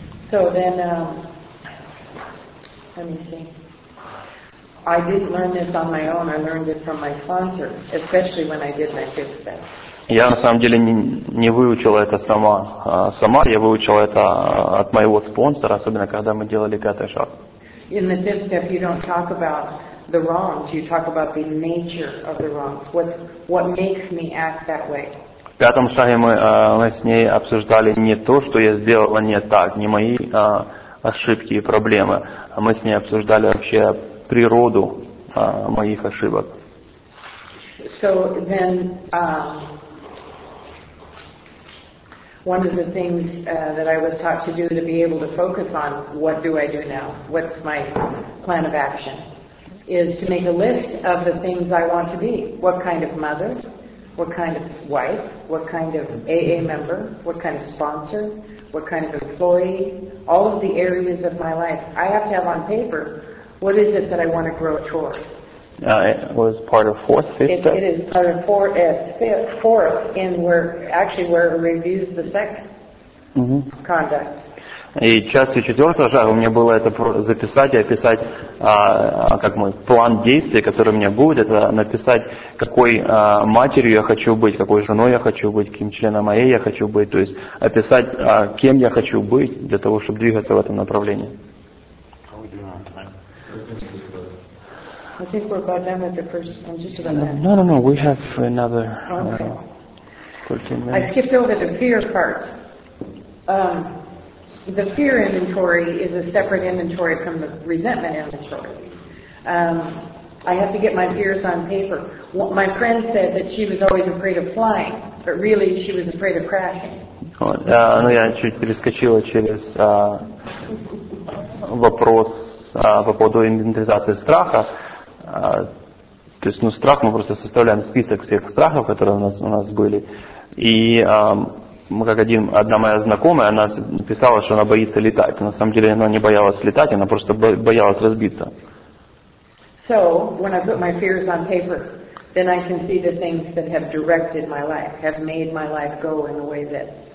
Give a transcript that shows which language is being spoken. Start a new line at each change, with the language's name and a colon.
English: So then, let me see. I didn't learn this on my own. I learned it from my sponsor, especially when I did my fifth step.
Russian: Я на самом деле не выучила это сама. Сама я выучила это от моего спонсора, особенно когда мы делали пятый шаг.
English: In the fifth step you don't talk about the wrongs, you talk about the nature of the wrongs. What makes me act that way?
Russian: В пятом шаге мы с ней обсуждали не то, что я сделала не так, не мои ошибки и проблемы, а мы с ней обсуждали вообще природу моих ошибок.
English: So then, one of the things that I was taught to do to be able to focus on what do I do now, what's my plan of action, is to make a list of the things I want to be. What kind of mother, what kind of wife, what kind of AA member, what kind of sponsor, what kind of employee, all of the areas of my life. I have to have on paper, what is it that I want to grow toward? It was part of fourth, fifth step? It is part of fourth, in where it reviews the sex conduct.
Russian: И частью четвертого шага у меня было это записать и описать как мой план действий, который у меня будет, это написать, какой матерью я хочу быть, какой женой я хочу быть, каким членом АА я хочу быть, то есть описать, кем я хочу быть для того, чтобы двигаться в этом направлении.
English: I think we're about done with the first one, just about that. No, we have another 13 minutes. I skipped over the fear part. The fear inventory is a separate inventory from the resentment inventory. I have to get my fears on paper. Well, my friend said that she was always afraid of flying, but really she was afraid of crashing.
Russian: Ну, я чуть перескочила через вопрос по поводу инвентаризации страха. То есть, ну, страх, мы просто составляем список всех страхов, которые у нас были. И одна моя знакомая, она писала, что она боится летать. На самом деле, она не боялась летать, она просто боялась разбиться.
English: So, when I put my fears on paper, then I can see the things that have directed my life, have made my life go in the way that